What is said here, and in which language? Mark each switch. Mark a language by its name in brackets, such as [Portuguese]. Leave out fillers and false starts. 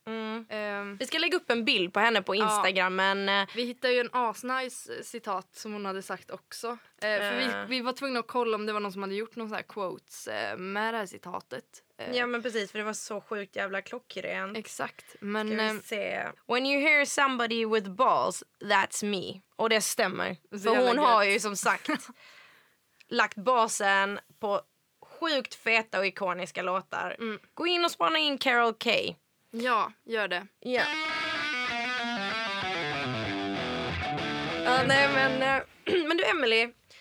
[Swedish] Mm. Vi ska lägga upp en bild på henne på Instagram, men... Vi hittade ju en asnice citat som hon hade sagt också. För vi var tvungna att kolla om det var någon som hade gjort någon sån här quotes med det här citatet. Ja, men precis, för det var så sjukt jävla klockrent. Exakt, men... Ska vi se. [English] When you hear somebody with balls, that's me. [Swedish] Och det stämmer. Så för hon har ju som sagt lagt basen på sjukt feta och ikoniska låtar. Mm. Gå in och spana in Carole Kay. Ja, gör det. Ja. Nej, men... men du, Emily.